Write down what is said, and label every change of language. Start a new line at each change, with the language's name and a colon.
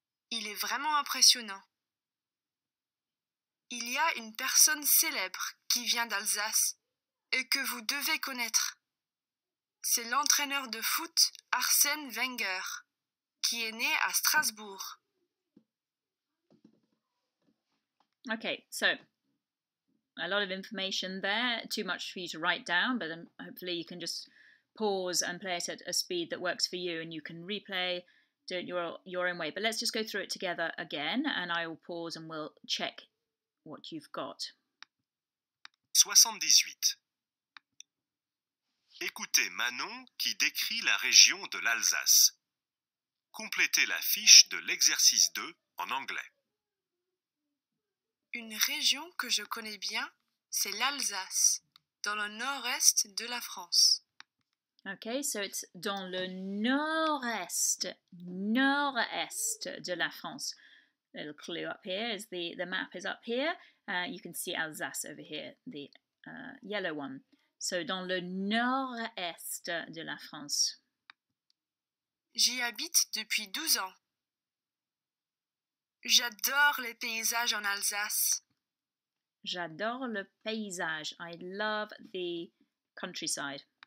French: Il est vraiment impressionnant. Il y a une personne célèbre qui vient d'Alsace et que vous devez connaître. C'est l'entraîneur de foot Arsène Wenger, qui est né à Strasbourg.
English: Okay, so a lot of information there, too much for you to write down, but hopefully you can just pause and play it at a speed that works for you and you can replay, do it your own way. But let's just go through it together again and I will pause and we'll check what you've got. 78.
French: Écoutez Manon qui décrit la région de l'Alsace. Complétez la fiche de l'exercice 2 en anglais. Une région que je connais bien, c'est l'Alsace, dans le nord-est de la France.
English: Okay, so it's
French: dans le nord-est, nord-est de la France.
English: A little clue up here is the map is up here. You can see Alsace over here, the yellow one.
French: So dans le nord-est de la France. J'y habite depuis 12 ans. J'adore les paysages en Alsace. J'adore le paysage.
English: I love the countryside.